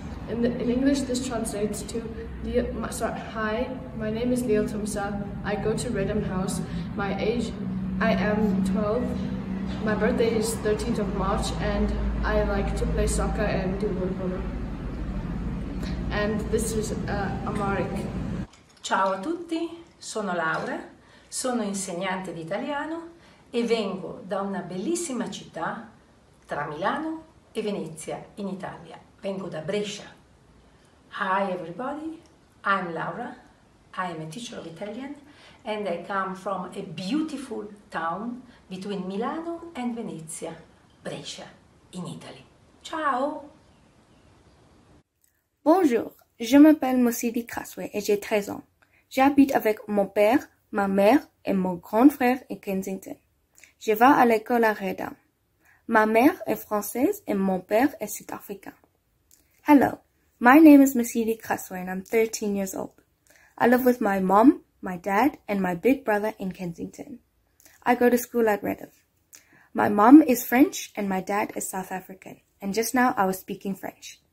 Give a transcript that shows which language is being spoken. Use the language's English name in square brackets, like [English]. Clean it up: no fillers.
[English] In English, this translates to hi, my name is Leo Tumsa. I go to Reddam House. My age, I am 12. My birthday is 13th of March, and I like to play soccer and do water polo. And this is Amaric. [Italian] Ciao a tutti, sono Laura, sono insegnante di italiano e vengo da una bellissima città. Tra Milano e Venezia in Italia. Vengo da Brescia. [English] Hi everybody, I'm Laura. I am a teacher of Italian and I come from a beautiful town between Milano and Venezia, Brescia in Italy. [Italian] Ciao! [French] Bonjour, je m'appelle Mosidi Kraswe et j'ai 13 ans. J'habite avec mon père, ma mère et mon grand frère à Kensington. Je vais à l'école à Reddam. Ma mère est française et mon père est sud-africain. [English] Hello, my name is Mesidi Kraswe and I'm 13 years old. I live with my mom, my dad, and my big brother in Kensington. I go to school at Reddam. My mom is French and my dad is South African. And just now I was speaking French.